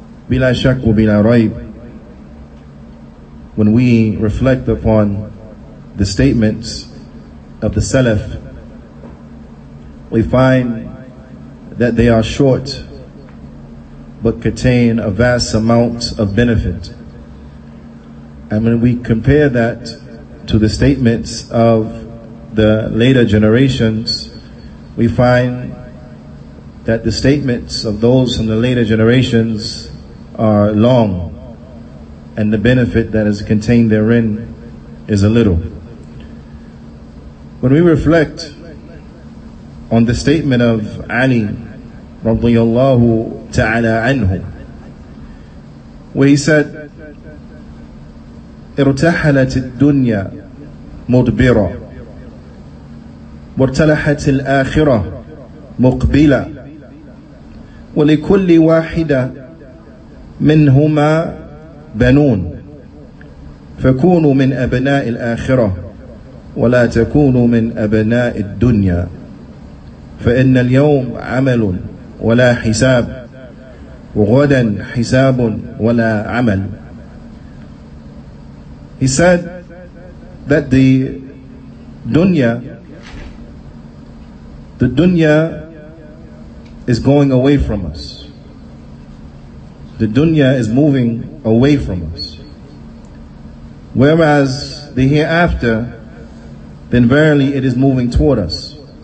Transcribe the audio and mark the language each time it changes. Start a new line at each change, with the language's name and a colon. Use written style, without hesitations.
Arabic: بلا شك وبلا ريب
English: when we reflect upon the statements of the Salaf we find that they are short but contain a vast amount of benefit. And when we compare that to the statements of the later generations, we find that the statements of those from the later generations are long, and the benefit that is contained therein is a little. When we reflect on the statement of Ali radiyallahu ta'ala anhu, where he said,
Arabic: ارتحلت الدنيا مدبرة وارتلحت الآخرة مقبلة ولكل واحدة منهما بنون فكونوا من أبناء الآخرة ولا تكونوا من أبناء الدنيا فإن اليوم عمل ولا حساب وغدا حساب ولا عمل.
English: He said that the dunya is going away from us. The dunya is moving away from us. Whereas the hereafter, then verily it is moving toward us.